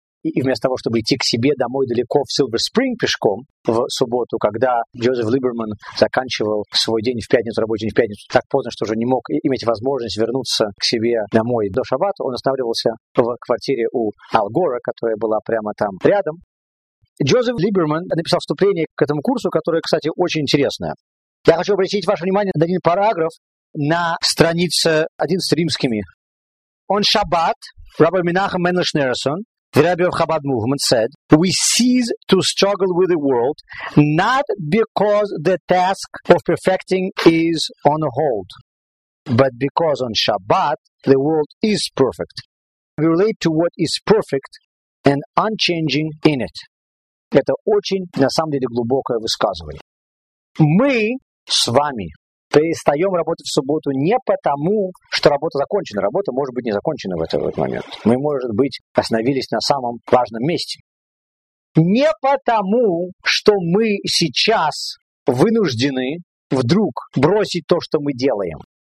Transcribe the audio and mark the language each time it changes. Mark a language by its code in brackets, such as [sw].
[ru] И вместо того, чтобы идти к себе домой далеко в Silver Spring пешком в субботу, когда Джозеф Либерман заканчивал свой день в пятницу, рабочий день в пятницу, так поздно, что уже не мог иметь возможность вернуться к себе домой до шаббата, он останавливался в квартире у Ал Гора, которая была прямо там рядом. Джозеф Либерман написал вступление к этому курсу, которое, кстати, очень интересное. Я хочу обратить ваше внимание на один параграф на странице 11 римскими. [en] «On Shabbat, Rabbi Menachem Mendel Schneerson, the Rebbe of Chabad movement, said, we cease to struggle with the world not because the task of perfecting is on hold, but because on Shabbat the world is perfect. We relate to what is perfect and unchanging in it». [ru] Это очень, на самом деле, глубокое высказывание. Мы с вами перестаем работать в субботу не потому, что работа закончена. Работа может быть не закончена в этот момент. Мы, может быть, остановились на самом важном месте. Не потому, что мы сейчас вынуждены вдруг бросить то, что мы делаем.